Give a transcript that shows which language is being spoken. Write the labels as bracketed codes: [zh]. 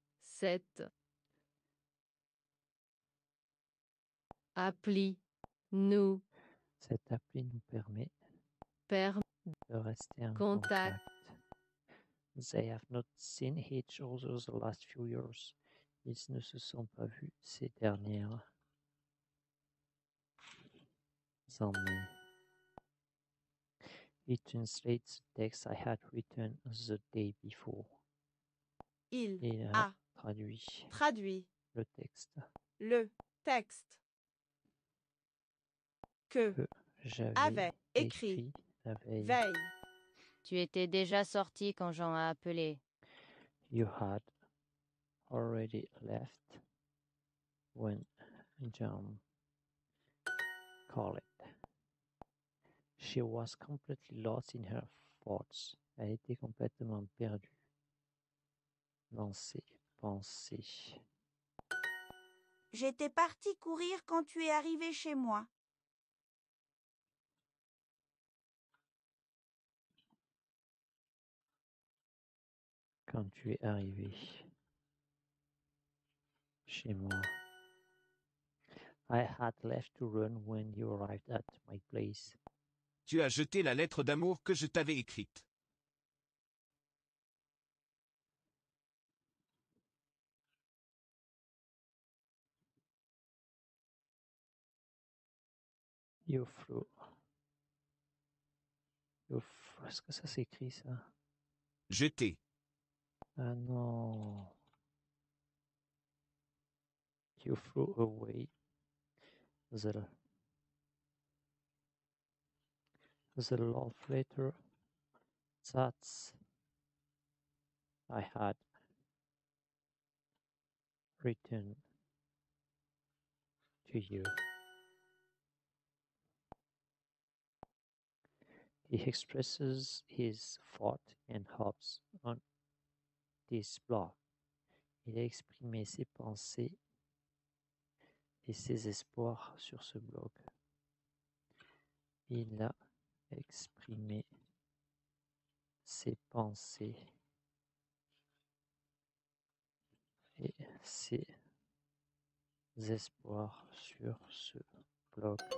[fr] Cette appli nous. Cette appli nous permet. De rester en contact. [en] They have not seen each other the last few years. [fr] Ils ne se sont pas vus ces dernières années. [en] It translates the text I had written the day before. [fr] Il a traduit le texte que j'avais écrit la veille. Tu étais déjà sorti quand Jean a appelé. [en] You had already left when Jean called. She was completely lost in her thoughts. [fr] Elle était complètement perdue dans ses pensées. J'étais parti courir quand tu es arrivé chez moi. Quand tu es arrivé chez moi. [en] I had left to run when you arrived at my place. [fr] Tu as jeté la lettre d'amour que je t'avais écrite. Yoflo. Yoflo. Est-ce que ça s'écrit ça? Jeter. Ah non. Yoflo away. [en] The love letter that I had written to you. He expresses his thoughts and hopes on this blog. [fr] Il a exprimé ses pensées et ses espoirs sur ce blog. Il a exprimé ses pensées et ses espoirs sur ce blog.